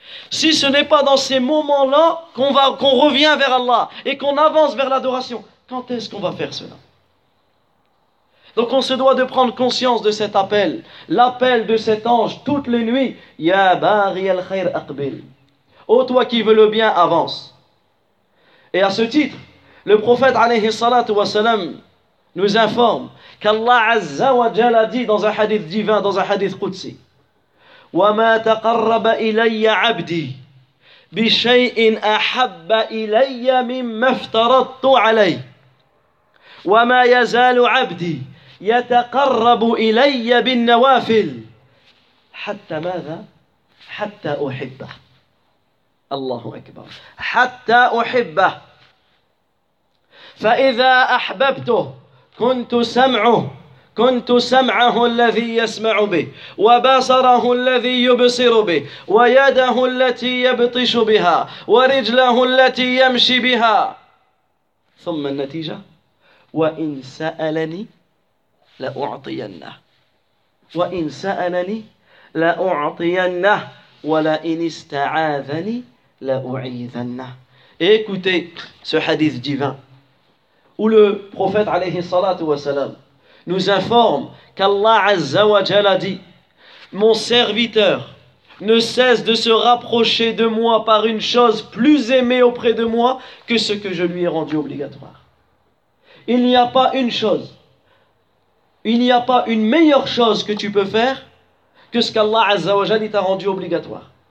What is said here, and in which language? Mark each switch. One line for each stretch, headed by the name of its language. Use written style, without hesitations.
French: Si ce n'est pas dans ces moments-là qu'on revient vers Allah et qu'on avance vers l'adoration, quand est-ce qu'on va faire cela? Donc on se doit de prendre conscience de cet appel, l'appel de cet ange toutes les nuits.
Arabic: Ya bari al khair aqbil.
French: Ô toi qui veux le bien, avance. Et à ce titre, le prophète alayhi salatu wa salam nous informe qu'Allah Azza wa Jalla a dit dans un hadith divin, dans un hadith qudsi,
Arabic: وَمَا تَقَرَّبَ إِلَيَّ عَبْدِي بِشَيْءٍ أَحَبَّ إِلَيَّ مِمَّ افْتَرَضْتُ عَلَيْهِ وَمَا يَزَالُ عَبْدِي يَتَقَرَّبُ إِلَيَّ بِالنَّوَافِلِ حَتَّى مَاذَا حَتَّى أُحِبَّهِ الله أكبر حَتَّى أُحِبَّهِ فَإِذَا أَحْبَبْتُهُ كُنْتُ سَمْعُهُ كنت سمعه الذي يسمع به وبصره الذي يبصر به ويده التي يبطش بها ورجله التي يمشي بها ثم النتيجة وإن سألني لأعطينه وإن سألني لأعطينه ولئن استعاذني لأعيذنه.
French: Écoutez ce hadith divin où le prophète عليه الصلاة والسلام nous informe qu'Allah Azza wa Jalla a dit « Mon serviteur ne cesse de se rapprocher de moi par une chose plus aimée auprès de moi que ce que je lui ai rendu obligatoire. » Il n'y a pas une chose, il n'y a pas une meilleure chose que tu peux faire que ce qu'Allah Azza wa Jalla t'a rendu obligatoire.